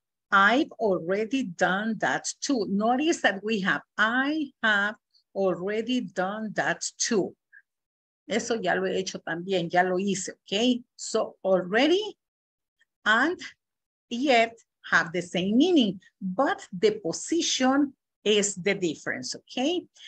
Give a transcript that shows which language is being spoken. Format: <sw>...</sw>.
<en>Notice that we have, I have already done that too.</en> <es>Eso ya lo he hecho también, ya lo hice, okay?</es> <en>So already and yet have the same meaning, but the position is the difference, okay?</en>